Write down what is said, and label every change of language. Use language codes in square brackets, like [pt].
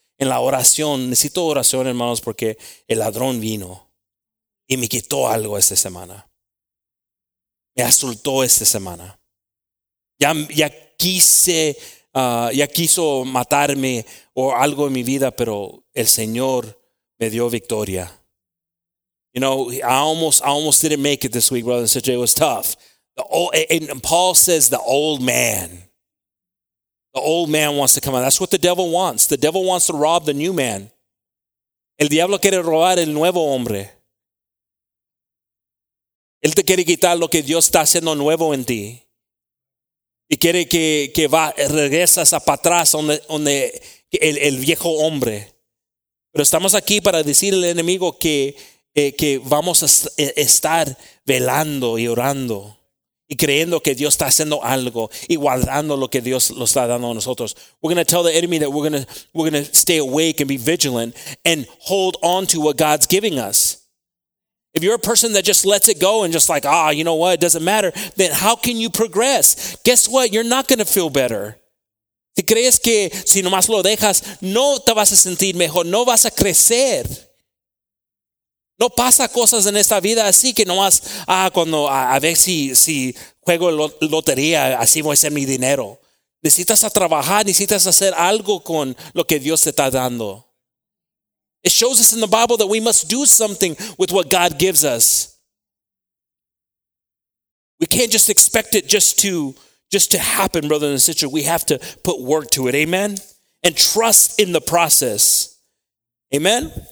[es] En la oración, necesito oración, hermanos, porque el ladrón vino y me quitó algo esta semana. Me asaltó esta semana. Ya quiso matarme o algo en mi vida, pero el Señor me dio victoria. [en] You know, I almost didn't make it this week, brother and sister. It was tough. And Paul says the old man. The old man wants to come out. That's what the devil wants. The devil wants to rob the new man. [es] El diablo quiere robar el nuevo hombre. Él te quiere quitar lo que Dios está haciendo nuevo en ti. Y quiere que va, regresas a para atrás donde el viejo hombre. Pero estamos aquí para decirle al enemigo que vamos a estar velando y orando y creyendo que Dios está haciendo algo y guardando lo que Dios lo está dando a nosotros. [en] We're going to tell the enemy that we're going to stay awake and be vigilant and hold on to what God's giving us. If you're a person that just lets it go and just like, you know what, it doesn't matter, then how can you progress? Guess what? You're not going to feel better. [es] ¿Te crees que si nomás lo dejas, no te vas a sentir mejor, no vas a crecer? No pasa cosas en esta vida así que nomás, cuando a ver si juego lotería, así voy a hacer mi dinero. Necesitas a trabajar, necesitas hacer algo con lo que Dios te está dando. [en] It shows us in the Bible that we must do something with what God gives us. We can't just expect it just to happen, brothers and sisters. We have to put work to it, amen? And trust in the process, amen?